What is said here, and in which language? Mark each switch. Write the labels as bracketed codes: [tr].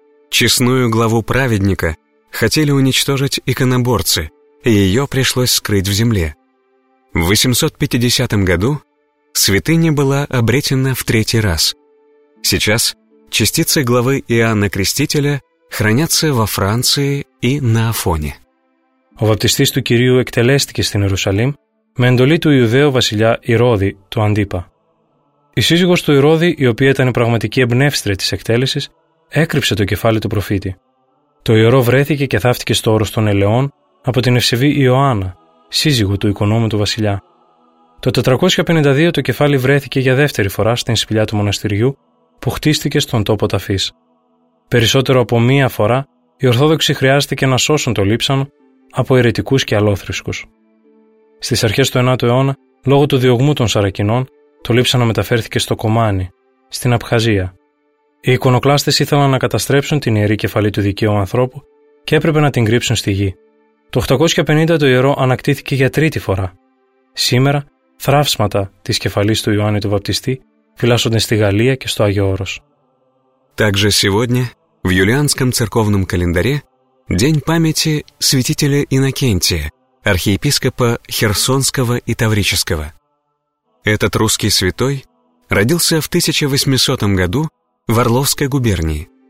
[ru] Честную главу праведника хотели уничтожить иконоборцы, и ее пришлось скрыть в земле. В 850 году святыня была обретена в третий раз. Сейчас частицы главы Иоанна Крестителя хранятся во Франции и на Афоне. [el] Ο βαπτιστής του Κυρίου εκτελέστηκε στην Ιερουσαλήμ με εντολή του Ιουδαίου βασιλιά Ηρώδη, του Αντίπα. Η σύζυγος του Ηρώδη, η οποία ήταν η πραγματική εμπνεύστρια της εκτέλεσης, έκρυψε το κεφάλι του προφήτη. Το ιερό βρέθηκε και θάφτηκε στο όρος των Ελαιών από την ευσεβή Ιωάννα, σύζυγο του οικονόμου του βασιλιά. Το 452 το κεφάλι βρέθηκε για δεύτερη φορά στην σπηλιά του μοναστηριού που χτίστηκε στον τόπο ταφής. Περισσότερο από μία φορά, οι Ορθόδοξοι χρειάστηκε να σώσουν το λείψανο από αιρετικούς και αλόθρησκους. Στις αρχές του 9ου αιώνα, λόγω του διωγμού των Σαρακινών, το λείψανο μεταφέρθηκε στο Κομάνι, στην Απχαζία. Οι εικονοκλάστες ήθελαν να καταστρέψουν την ιερή κεφαλή του δικαίου ανθρώπου και έπρεπε να την κρύψουν στη γη. Το 850 το ιερό ανακτήθηκε για τρίτη φορά. Σήμερα, θράψματα της κεφαλής του Ιωάννη του Βαπτιστή φυλάσσονται στη Γαλλία και στο Άγιο Όρος. [ru] Также сегодня, в юлианском церковном календаре, день памяти святителя Иннокентия, архиепископа Херсонского и Таврического. Этот русский святой родился в 1800 году в Орловской губернии.